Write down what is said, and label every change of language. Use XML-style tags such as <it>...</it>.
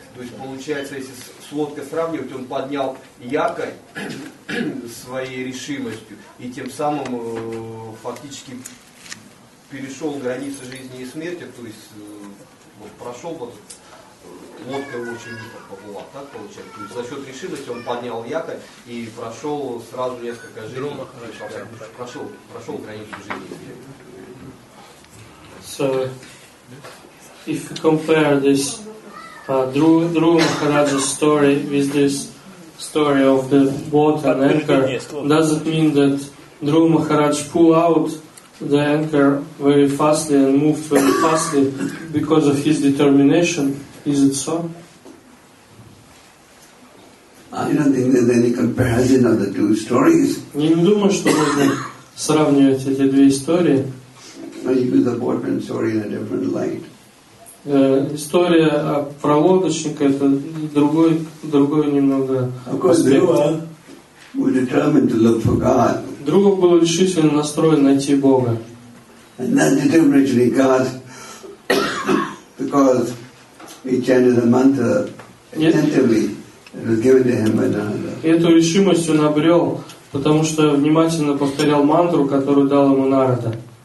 <ru>То есть получается, если с лодкой сравнивать, он поднял якорь своей решимостью и тем самым фактически перешел границы жизни и смерти, то есть вот, прошел вот лодка очень поплыла, так получается. То есть за счет решимости он поднял якорь и прошел сразу несколько жизней. Прошел границу жизни и смерти.</ru> <en>So, if you compare this Dhruva Maharaja's story with this story of the boat and anchor, does it mean that Dhruva Maharaj pulled out the anchor very fastly and moved very fastly because of his determination? Is it so? I don't think there's any comparison of the two stories.</en> <ru>Не думаю, что можно сравнивать эти две истории.</ru> <en>I use the boatman's story in a different light.</en> <ru>История о пролодочнике это другой немного аспект.</ru> <en>Of course, Dhruva was determined to look for God.</en> <ru>Dhruva был решительно настроен найти Бога.</ru> <en>And that determination he got because he chanted the mantra attentively. It was given to him by Narada.</en> <ru>Эту решимость он обрел, потому что внимательно повторял мантру, которую дал ему Нарада.</ru>